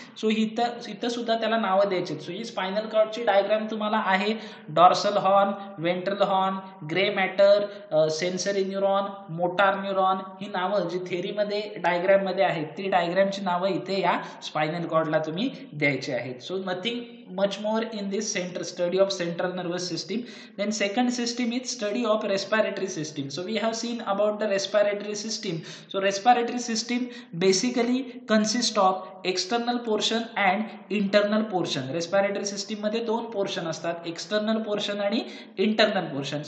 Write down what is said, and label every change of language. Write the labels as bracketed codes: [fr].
[mr] So इथं सुद्धा त्याला नावं द्यायची. सो ही स्पायनल कॉर्डची डायग्राम तुम्हाला आहे dorsal horn, ventral horn, grey matter, sensory neuron, motor neuron, ही नावं जी थेरीमध्ये डायग्राममध्ये आहेत ती डायग्रामची नावं इथे या स्पायनल कॉर्डला तुम्ही द्यायची आहेत. [en] So nothing much more in this centre study of central nervous system. Then second system is study of respiratory system. So we have seen about the respiratory system. So respiratory system basically consist of external portion and internal portion. [mr] Respiratory सिस्टीममध्ये दोन portion असतात, external portion आणि internal portion.